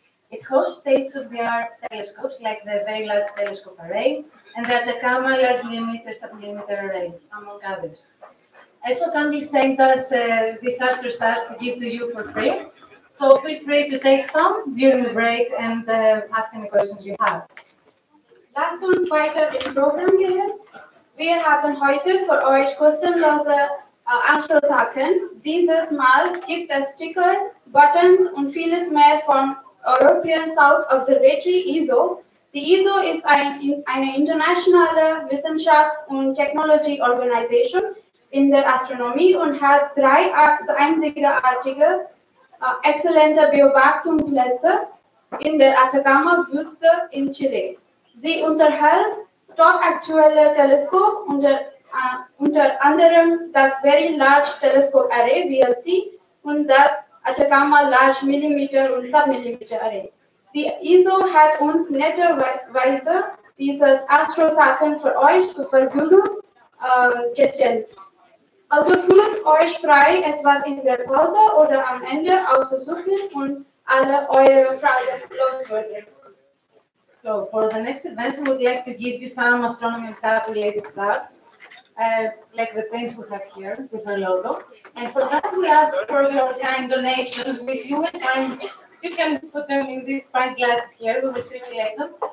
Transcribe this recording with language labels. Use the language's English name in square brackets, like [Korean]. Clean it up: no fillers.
[English] It hosts state-of-the-art telescopes like the Very Large Telescope Array and the Atacama Large Millimeter Sublimeter Array, among others. ESO kindly sent us this astro stuff to give to you for free. So feel free to take some during the break and ask any questions you have. Last month, [German] weiter im Programm gehen. Wir haben heute für euch kostenlose Astro-Sachen. Dieses Mal gibt es Sticker, Buttons und vieles mehr vom European South Observatory ESO. Die ESO ist eine internationale Wissenschafts- und Technologie-Organisation in der Astronomie und hat drei einzigartige, exzellente Beobachtungsplätze in der Atacama-Wüste in Chile. Sie unterhält top-aktuelle Teleskop unter anderem das Very Large Telescope Array, VLT, und das Atacama Large Millimeter und Submillimeter Array. Die ESO hat uns netterweise dieses Astro-Sachen für euch zur Verfügung gestellt. Also fühlt euch frei, etwas in der Pause oder am Ende auszusuchen und alle eure Fragen loswerden. [English] So, for the next event, we would like to give you some astronomy and stuff related to that, like the paints we have here with our logo. And for that, we ask for your kind donations with you, and you can put them in these fine glasses here. We will circulate them.